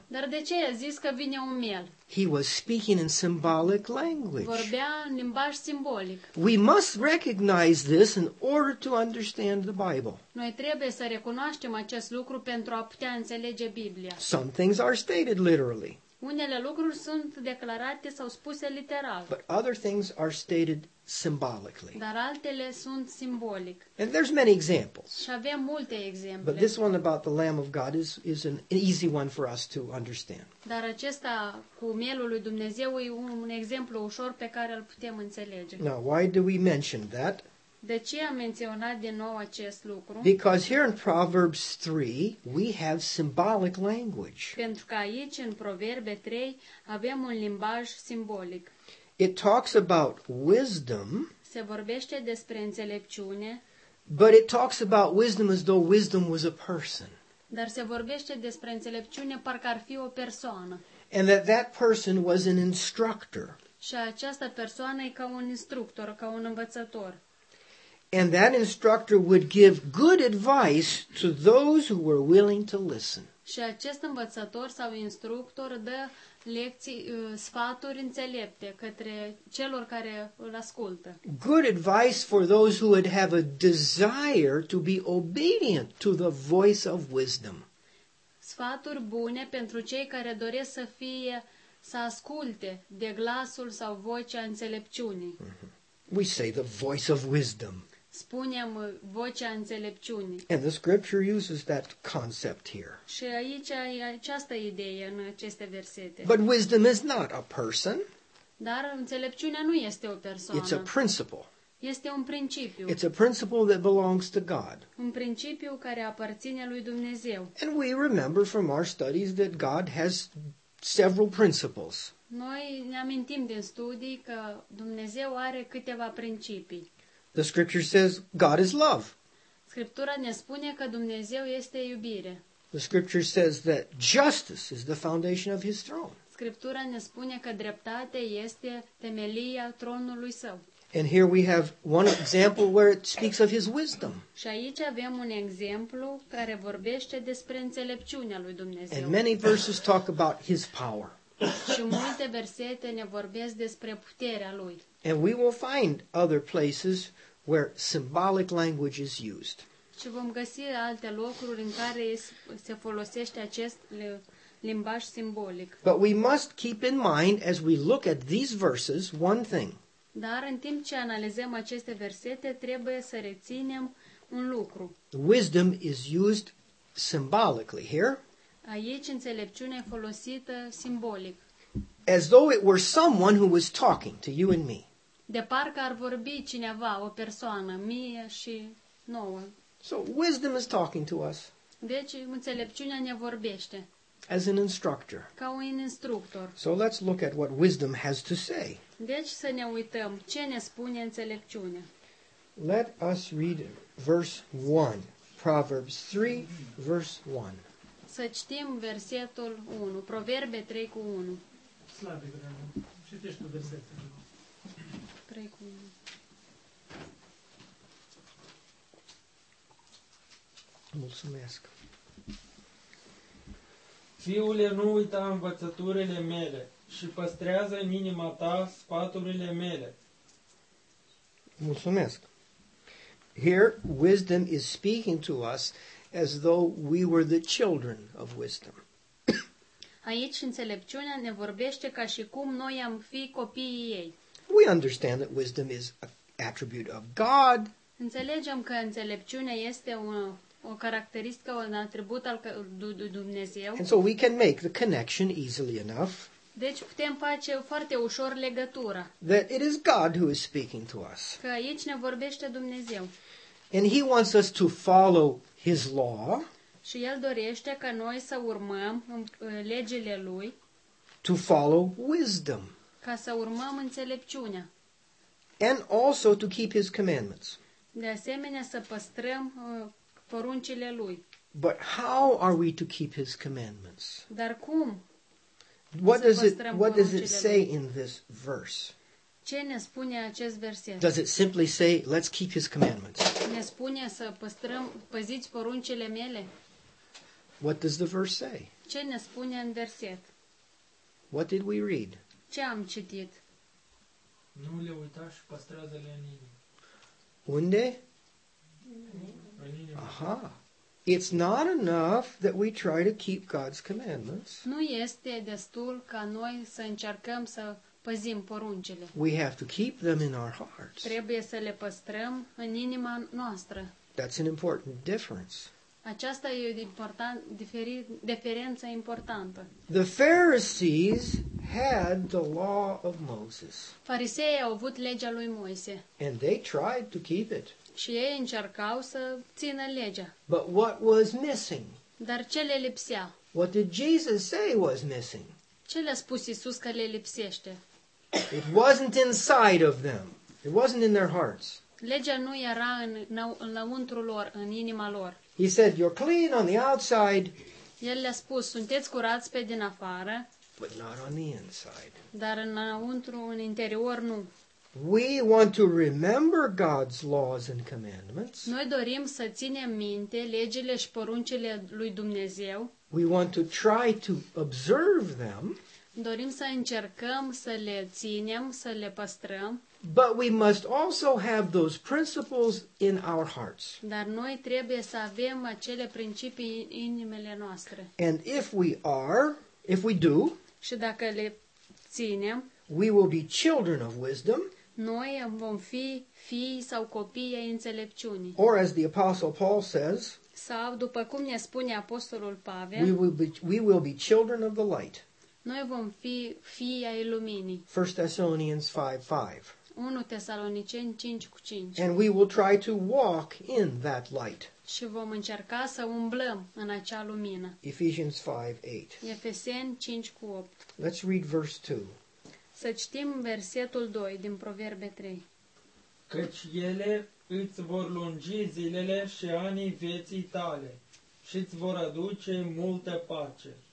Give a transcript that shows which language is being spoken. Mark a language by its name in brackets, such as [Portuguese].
[Romanian] Dar de ce a zis că vine un miel? [English] He was speaking in symbolic language. [Romanian] Vorbea în limbaj simbolic. [English] We must recognize this in order to understand the Bible. [Romanian] Noi trebuie să recunoaștem acest lucru pentru a putea înțelege Biblia. [English] Some things are stated literally. [Romanian] Unele lucruri sunt declarate sau spuse literal. [English] But other things are stated symbolically. [Romanian] Dar altele sunt simbolic. [English] And there's many examples. [Romanian] Și avem multe exemple. [English] But this one about the Lamb of God is an easy one for us to understand. [Romanian] Dar acesta cu mielul lui Dumnezeu e un exemplu ușor pe care îl putem înțelege. [English] Now, why do we mention that? [Romanian] De ce am menționat din nou acest lucru? [English] Because here in Proverbs 3, we have symbolic language. [Romanian] Pentru că aici în Proverbe 3 avem un limbaj simbolic. [English] It talks about wisdom. [Romanian] Se vorbește despre înțelepciune. [English] But it talks about wisdom as though wisdom was a person. [Romanian] Dar se vorbește despre înțelepciune parcă ar fi o persoană. [English] And that person was an instructor. [Romanian] Și această persoană e ca un instructor, ca un învățător. [English] And that instructor would give good advice to those who were willing to listen. [Romanian] Și acest învățător sau instructor dă lecții, sfaturi înțelepte către celor care îl ascultă. [English] Good advice for those who would have a desire to be obedient to the voice of wisdom. [Romanian] Sfaturi bune pentru cei care doresc să fie, să asculte de glasul sau vocea înțelepciunii. [English] Mm-hmm. We say the voice of wisdom. [Romanian] Spunem vocea înțelepciunii. [English] And the scripture uses that concept here. [Romanian] Și aici e această idee în aceste versete. [English] But wisdom is not a person. [Romanian] Dar înțelepciunea nu este o persoană. [English] It's a principle. [Romanian] Este un principiu. [English] It's a principle that belongs to God. [Romanian] Un principiu care aparține lui Dumnezeu. [English] And we remember from our studies that God has several principles. [Romanian] Noi ne amintim din studii că Dumnezeu are câteva principii. [English] The scripture says God is love. [Romanian] Scriptura ne spune că Dumnezeu este iubire. [English] The scripture says that justice is the foundation of his throne. [Romanian] Scriptura ne spune că dreptate este temelia tronului său. [English] And here we have one example where it speaks of his wisdom. [Romanian] Și aici avem un exemplu care vorbește despre înțelepciunea lui Dumnezeu. [English] And many verses talk about his power. [Romanian] Și multe versete ne vorbesc despre puterea lui. [English] And we will find other places where symbolic language is used. [Romanian] Și vom găsi alte locuri în care se folosește acest limbaj simbolic. [English] But we must keep in mind as we look at these verses one thing. [Romanian] Dar în timp ce analizăm aceste versete trebuie să reținem un lucru. [English] Wisdom is used symbolically here. [Romanian] Aici înțelepciunea e folosită simbolic. [English] As though it were someone who was talking to you and me. [Romanian] De parcă ar vorbi cineva, o persoană, mie și nouă. [English] So wisdom is talking to us. [Romanian] Deci înțelepciunea ne vorbește. [English] As an instructor. [Romanian] Ca un instructor. [English] So let's look at what wisdom has to say. [Romanian] Deci să ne uităm ce ne spune înțelepciunea. [English] Let us read verse 1. Proverbs 3, verse 1. [Romanian] Să citim versetul 1, Proverbe 3 cu 1. Slabe, dragă. Citești tu versetul. 3 cu 1. Mulțumesc. Fiule, nu uita învățăturile mele și păstrează în inima ta sfaturile mele. Mulțumesc. [English] Here, wisdom is speaking to us as though we were the children of wisdom. [Romanian] Aici înțelepciunea ne vorbește ca și cum noi am fi copiii ei. [English] We understand that wisdom is an attribute of God. [Romanian] Înțelegem că înțelepciunea este o caracteristică, un atribut al Dumnezeu. [English] And so we can make the connection easily enough. [Romanian] Deci putem face foarte ușor legătura. [English] That it is God who is speaking to us. [Romanian] Că aici ne vorbește Dumnezeu. [English] And he wants us to follow his law. [Romanian] Și el dorește ca noi să urmăm legile lui. [English] To follow wisdom. [Romanian] Ca să urmăm înțelepciunea. [English] And also to keep his commandments. [Romanian] De asemenea să păstrăm poruncile lui. [English] But how are we to keep his commandments? [Romanian] Dar cum? [English] What does it say in this verse? [Romanian] Ce ne spune acest verset? [English] Does it simply say, let's keep his commandments? [Romanian] Ne spune să păstrăm, păziți poruncile mele? [English] What does the verse say? [Romanian] Ce ne spune în verset? [English] What did we read? [Romanian] Ce am citit? Nu le uita și păstrează-le în inimă. Unde? În inimă. Aha. [English] It's not enough that we try to keep God's commandments. [Romanian] Nu este destul ca noi să încercăm să păzim poruncile. [English] We have to keep them in our hearts. [Romanian] Trebuie să le păstrăm în inima noastră. [English] That's an important difference. [Romanian] Aceasta e o diferență importantă. [English] The Pharisees had the law of Moses. [Romanian] Fariseii au avut legea lui Moise. [English] And they tried to keep it. [Romanian] Și ei încercau să țină legea. [English] But what was missing? [Romanian] Dar ce le lipsea? [English] What did Jesus say was missing? [Romanian] Ce le-a spus Iisus că le lipsește? [English] It wasn't inside of them. It wasn't in their hearts. [Romanian] Legea nu era în lăuntru lor, în inima lor. [English] He said, you're clean on the outside. [Romanian] El le-a spus, sunteți curați pe din afară. [English] But not on the inside. [Romanian] Dar înăuntru, în interior, nu. [English] We want to remember God's laws and commandments. [Romanian] Noi dorim să ținem minte legile și poruncile lui Dumnezeu. [English] We want to try to observe them. [Romanian] Dorim să încercăm să le ținem, să le păstrăm. [English] But we must also have those principles in our hearts. [Romanian] Dar noi trebuie să avem acele principii în inimile noastre. [English] And if we are, if we do, [Romanian] și dacă le ținem, [English] we will be children of wisdom. [Romanian] Noi vom fi fii sau copii ai înțelepciunii. [English] Or as the Apostle Paul says, [Romanian] sau după cum ne spune Apostolul Pavel, [English] we will be children of the light. [Romanian] Noi vom fi fii ai luminii. [English] 1 Thessalonians 5:5. [Romanian] 1 Tesaloniceni 5:5. [English] And we will try to walk in that light. [Romanian] Și vom încerca să umblăm în acea lumină. [English] Ephesians 5:8. [Romanian] Efeseni 5:8. [English] Let's read verse 2. [Romanian] Să citim versetul 2 din Proverbe 3. Căci ele îți vor lungi zilele și anii vieții tale și îți vor aduce multă pace.